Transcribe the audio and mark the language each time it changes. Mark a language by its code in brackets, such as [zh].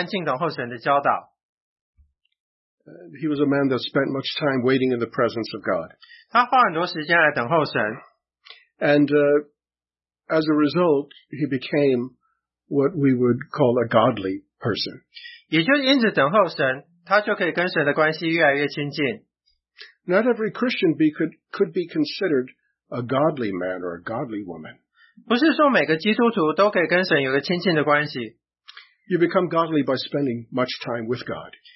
[zh] 因为当我想到周牧师他过世的时候，第一件事情我想到就是说他关于等待安静等候神的教导。 [en] He was a man that spent much time waiting in the presence of God. [zh] 他花很多时间来等候神。 [en] And as a result, he became what we would call a godly person. [zh] 也就因此等候神，他就可以跟神的关系越来越亲近。 [en] Not every Christian could be considered a godly man or a godly woman. [zh] 不是说每个基督徒都可以跟神有个亲近的关系。 [en] You become godly by spending much time with God.